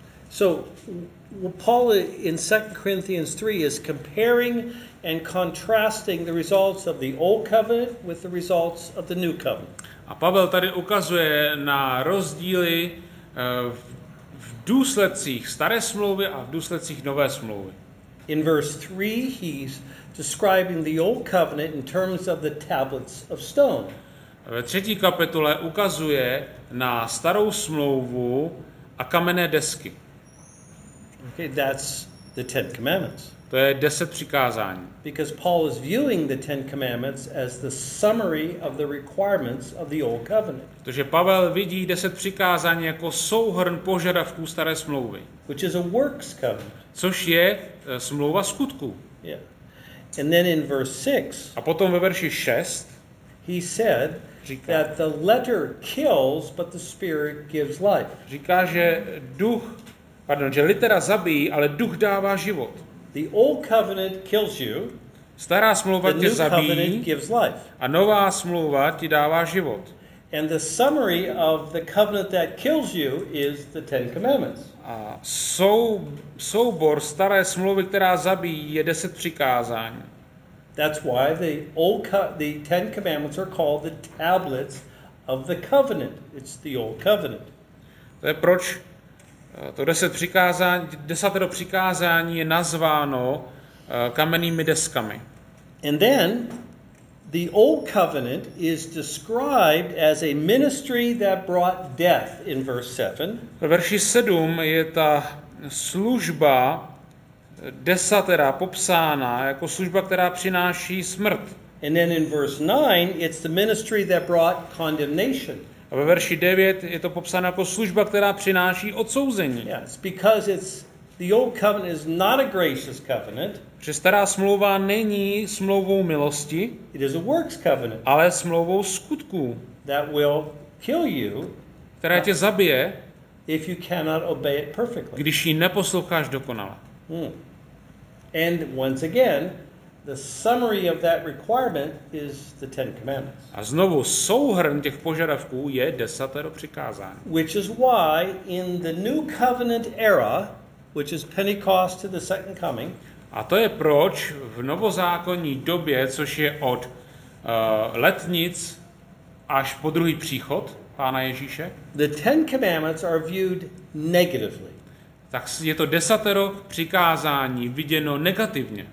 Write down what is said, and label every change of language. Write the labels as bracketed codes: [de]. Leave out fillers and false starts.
[en] So Paul in 2 Corinthians 3 is comparing and contrasting the results of the old covenant with the results of the new covenant. [cs] A Pavel tady ukazuje na rozdíly v důsledcích staré smlouvy a v důsledcích nové smlouvy. [en] In verse 3 he's describing the old covenant in terms of the tablets of stone. [cs] Ve třetí kapitole ukazuje na starou smlouvu a kamenné desky. [en] Okay, that's the Ten Commandments. [cs] To je 10 přikázání. [en] Because Paul is viewing the Ten Commandments as the summary of the requirements of the old covenant. [cs] Protože Pavel vidí 10 přikázání jako souhrn požadavků staré smlouvy. [en] Which is a works covenant. [cs] Což je smlouva skutku. [en] Yeah. And then in verse 6. [cs] A potom ve verši 6. [en] He said [cs] říká, [en] that the letter kills, but the spirit gives life. [cs] Říká, že duch, pardon, že litera zabíjí, ale duch dává život. [en] The old covenant kills you. [cs] Stará smlouva [en] the [cs] tě zabíjí. [en] Gives life. [cs] A nová smlouva ti dává život. [en] And the summary of the covenant that kills you is the Ten Commandments. [cs] A soubor staré smlouvy, která zabíjí, je 10 přikázání. [en] That's why the Ten Commandments are called the tablets of the covenant. It's the old covenant. [cs] To je proč to 10 přikázání, desatero přikázání je nazváno kamennými deskami. [en] And then the old covenant is described as a ministry that brought death in verse 7. [cs] Ve verši 7 je ta služba desatera popsána jako služba, která přináší smrt. [en] And then in verse 9 it's the ministry that brought condemnation. [cs] A ve verši 9 je to popsáno jako služba, která přináší odsouzení. [en] Yes, because it's the old covenant is not a gracious covenant. [cs] Že stará smlouva není smlouvou milosti. [en] It is a works covenant. [cs] Ale smlouvou skutků. [en] That will kill you. [cs] Která tě zabije. [en] If you cannot obey it perfectly. [cs] Když ji neposloucháš dokonale. Hmm. [en] And once again, the summary of that requirement is the Ten Commandments. [cs] A znovu souhrn těch požadavků je desatero přikázání. [en] Which is why in the new covenant era, which is Pentecost to the second coming. [cs] A to je proč v novozákonní době, což je od letnic až po druhý příchod Pána Ježíše. [en] The Ten Commandments are viewed negatively. [cs] Tak je to desatero přikázání viděno negativně.